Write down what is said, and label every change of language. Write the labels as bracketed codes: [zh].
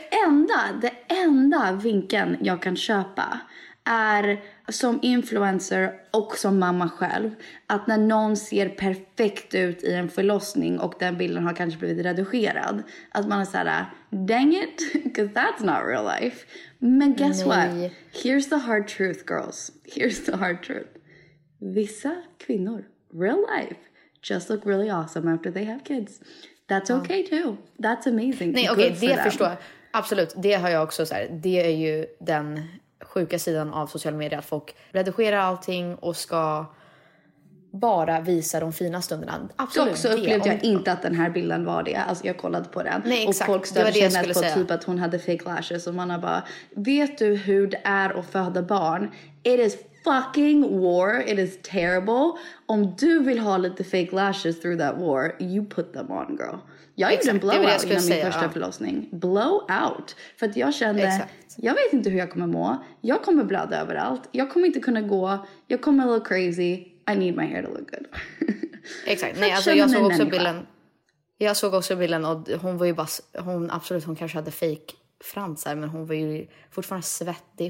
[sv] Alltså det enda vinkeln jag kan köpa är som influencer och som mamma själv. Att när någon ser perfekt ut i en förlossning och den bilden har kanske blivit redigerad. Att man är såhär, [en] dang it, because that's not real life. Men guess what? Here's the hard truth, girls. Here's the hard truth. [sv] Vissa kvinnor, [en] real life, just look really awesome after they have kids. That's okay too. That's amazing. [sv] Nej, okej, okay, det jag förstår. Absolut, det har jag också såhär. Det är ju den sjuka sidan av sociala medier, att folk redigerar allting och ska bara visa de fina stunderna. Absolut. Och så upplevde jag inte att den här bilden var det. Alltså jag kollade på den. Nej, exakt. Och folk stödde sig på säga. Typ att hon hade fake lashes. Och man har bara, vet du hur det är att föda barn? [en] It is fucking war. It is terrible. [sv] Om du vill ha lite fake lashes [en] through that war, you put them on, girl. [sv] Jag gjorde en blowout innan min första förlossning. Blowout. För att jag kände, jag vet inte hur jag kommer må. Jag kommer blöda överallt. Jag kommer inte kunna gå. Jag kommer [en] look crazy. I need my hair to look good. [sv] Exakt. Nej, alltså jag såg också bilden. Jag såg också bilden och hon var ju bara, hon kanske hade fake fransar, men hon var ju fortfarande svettig.